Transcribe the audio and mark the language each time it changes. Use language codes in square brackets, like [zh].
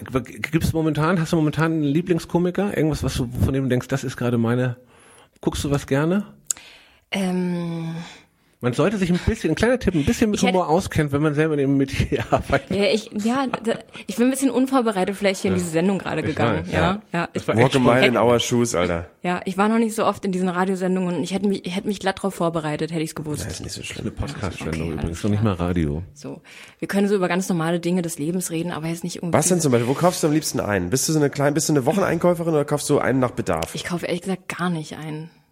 [de] Hast du momentan einen Lieblingskomiker? Irgendwas, was du von dem denkst, das ist gerade meine. Guckst du was gerne? Man sollte sich ein kleiner Tipp, ein bisschen mit Humor auskennen, wenn man selber neben mit hier arbeitet. Ich bin ein bisschen unvorbereitet vielleicht hier in diese Sendung gerade gegangen. [en] Walk a mile in our shoes, Alter. [de] Ja, ich war noch nicht so oft in diesen Radiosendungen und ich hätte mich glatt drauf vorbereitet, hätte ich es gewusst. Das ist nicht so schlimm. Eine Podcast-Sendung übrigens, noch nicht mal Radio. So. Wir können so über ganz normale Dinge des Lebens reden, aber jetzt nicht irgendwie. Was denn zum Beispiel? Wo kaufst du am liebsten ein? Bist du eine Wocheneinkäuferin oder kaufst du einen nach Bedarf? Ich kaufe ehrlich gesagt gar nicht einen.